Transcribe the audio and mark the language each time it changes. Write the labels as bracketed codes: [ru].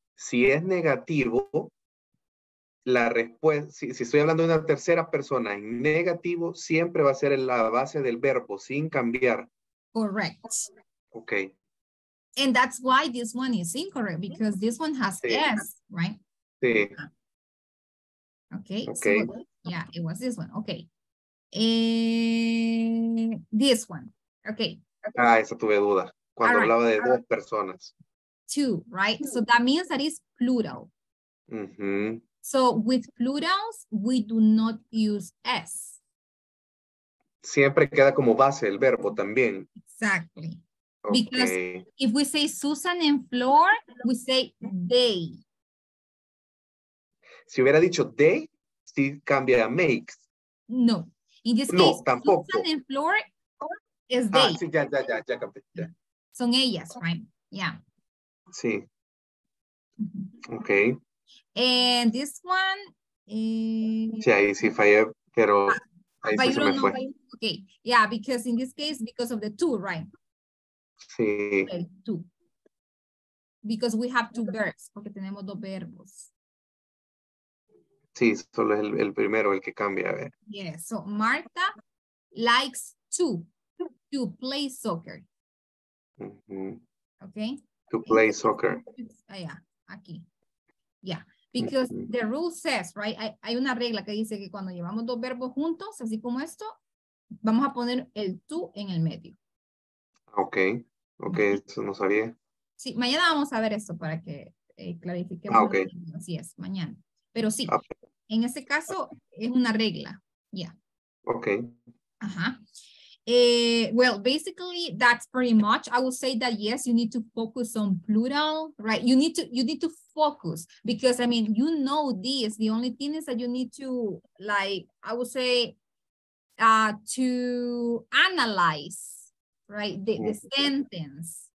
[es] Si es negativo, la respuesta, si estoy hablando de una tercera persona en negativo, siempre va a ser en la base del verbo, sin cambiar. [en] Correct. Okay. And that's why this one is incorrect, because this one has sí. S, right? [es] Sí. [en] Okay. Okay. So, yeah, it was this one. Okay. This one. Okay. [es] Ah, esa tuve duda. Cuando all hablaba right. de dos personas. [en] Two, right? So that means that it's plural. Mm-hmm. So with plurals, we do not use S. [es] Siempre queda como base el verbo también. [en] Exactly. Okay. Because if we say Susan and Flor, we say they. [es] Si hubiera dicho they, sí cambia a makes. [en] No. In this [es] no, [en] case, [es] tampoco. [en] Susan and Flor is they. [es] Ah, sí, ya cambié. Son ellas, [en] right? Yeah. [es] Sí. Okay. [en] And this one. [es] Sí, ahí sí fallé, pero ahí sí se me fue. [en] Okay. Yeah, because in this case, because of the two, right? [es] Sí. [en] Okay, two. Because we have two verbs, [es] porque tenemos dos verbos. Sí, solo es el primero el que cambia. A ver. [en] Yeah, so Marta likes to play soccer. Mm-hmm. Okay. To play soccer. Yeah, [es] aquí. [en] Yeah, because mm-hmm. the rule says, right? [es] Hay una regla que dice que cuando llevamos dos verbos juntos, así como esto, vamos a poner el tú en el medio. Okay, mm-hmm. eso no sabía. Sí, mañana vamos a ver eso para que clarifiquemos. [en] Ah, okay. [es] Así es, mañana. Pero sí, okay. en ese caso es una regla. Yeah. [en] Okay. Uh-huh. Well, basically, that's pretty much. I will say that, yes, you need to focus on plural, right? You need to focus because, I mean, you know this. The only thing is that you need to, like, I will say, to analyze, right, the sentence.